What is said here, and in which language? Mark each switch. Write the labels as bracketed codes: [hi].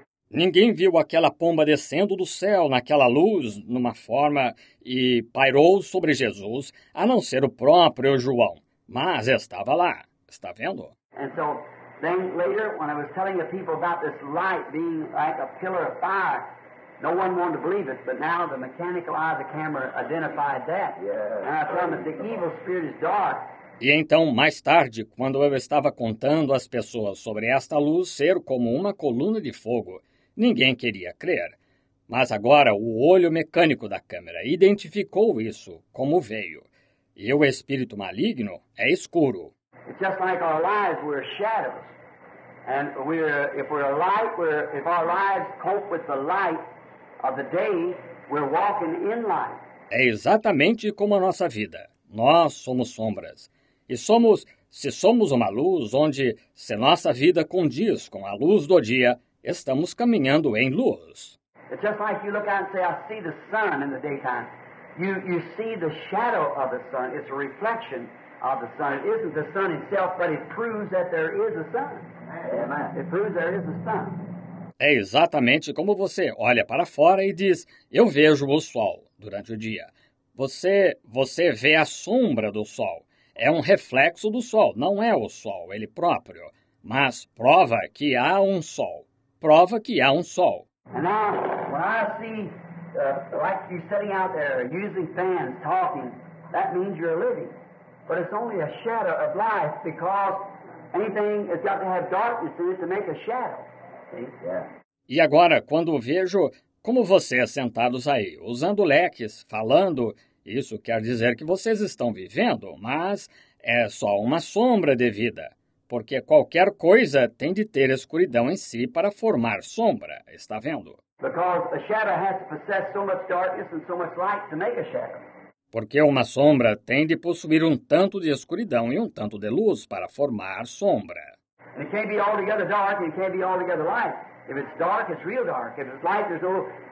[pt] Ninguém viu aquela pomba descendo do céu naquela luz, numa forma, e pairou sobre Jesus, a não ser o próprio João. Mas estava lá. Está vendo? [en] And so, then later, when I was telling the people about this light being like a pillar of fire, no one wanted to believe it, but now the mechanical eye of the camera identified that. Yeah. And I told them that the evil spirit is dark. [pt] E então, mais tarde, quando eu estava contando às pessoas sobre esta luz ser como uma coluna de fogo, ninguém queria crer. Mas agora o olho mecânico da câmera identificou isso como veio. E o espírito maligno é escuro. [en] It's just like our lives, we're shadows. And if we're light, if our lives cope with the light of the day, we're walking in light. [pt] É exatamente como a nossa vida. Nós somos sombras. E somos, se somos uma luz, onde se nossa vida condiz com a luz do dia, estamos caminhando em luz. [en] It's just like you look out and say, I see the sun in the daytime. You see the shadow of the sun. It's a reflection of the sun. It isn't the sun itself, but it proves that there is a sun. It proves there is a sun. [pt] É exatamente como você olha para fora e diz, eu vejo o sol durante o dia. Você vê a sombra do sol. É um reflexo do sol, não é o sol ele próprio. Mas prova que há um sol. Prova que há um sol. [en] And now, when I see, like you sitting out there, using fans, talking, that means you're living. But it's only a shadow of life, because anything has got to have darkness in it to make a shadow. [pt] E agora, quando vejo como vocês sentados aí, usando leques, falando, isso quer dizer que vocês estão vivendo, mas é só uma sombra de vida, porque qualquer coisa tem de ter escuridão em si para formar sombra, está vendo? [en] Because a shadow has to possess so much darkness and so much light to make a shadow. [pt] Porque uma sombra tem de possuir um tanto de escuridão e um tanto de luz para formar sombra. [en] And it can't be altogether dark and it can't be altogether light. If it's dark, it's real dark. If it's light, there's no